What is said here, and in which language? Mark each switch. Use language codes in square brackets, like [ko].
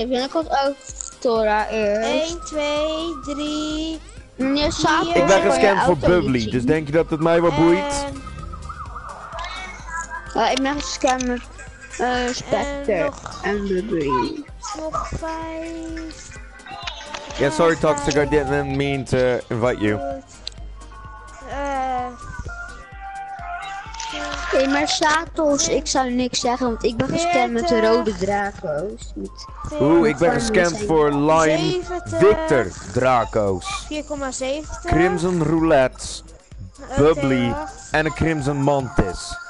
[nl] En dan komt ook Dora eerst. 1, 2, 3. Ik ben gescamd voor Bubbly, dus denk je dat het mij wat boeit? Ik ben gescamd met Spectre en Bubbly. Nog 5. [en] Ja, yeah, sorry Toxic, I didn't mean to invite you. [nl] Oké, maar Satos, ik zou niks zeggen, want ik ben gescamd met de rode Draco's. Oeh, ik ben gescamd voor Lime Victor Draco's. 4,70. Crimson Roulette, Bubbly en een Crimson Mantis.